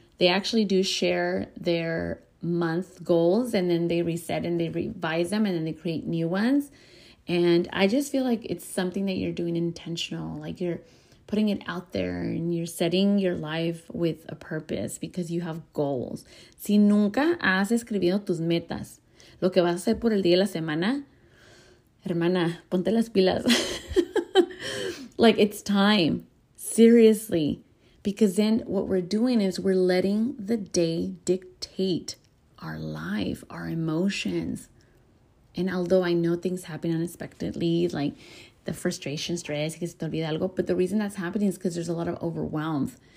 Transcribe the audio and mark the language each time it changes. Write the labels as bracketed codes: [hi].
[en] They actually do share their month goals, and then they reset and they revise them, and then they create new ones. And I just feel like it's something that you're doing intentional, like you're putting it out there and you're setting your life with a purpose because you have goals. [es] Si nunca has escribido tus metas, lo que vas a hacer por el día de la semana, hermana, ponte las pilas. [en] Like, it's time. Seriously. Because then what we're doing is we're letting the day dictate our life, our emotions. And although I know things happen unexpectedly, like the frustration, stress, [es] que se te olvida algo, [en] but the reason that's happening is because there's a lot of overwhelm.